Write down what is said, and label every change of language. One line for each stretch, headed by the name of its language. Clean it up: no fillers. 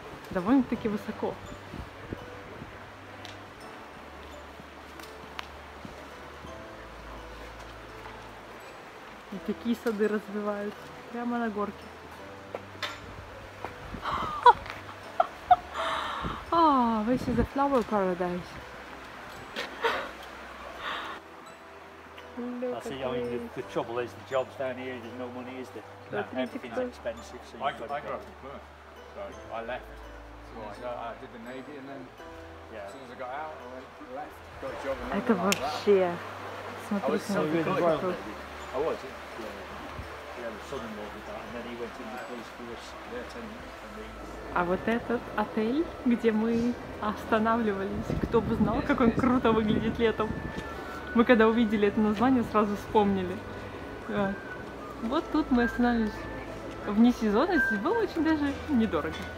Russian: Довольно-таки высоко. И такие сады развиваются прямо на горке.
English: Oh, this is a flower paradise. That's the only the trouble is the jobs down here. There's no money, is there? No, everything's expensive. So I grew up in Perth. So I left. I did the Navy and then as soon as I got out, I went left. Got a job.
Russian: Это вообще.
English: I was so good. I was. Yeah, the southern border, and then he went into police force. Yeah, 10 years.
Russian: А вот этот отель, где мы останавливались, кто бы знал, как он круто выглядит летом. Мы когда увидели это название, сразу вспомнили. Вот тут мы остановились вне сезона, здесь было очень даже недорого.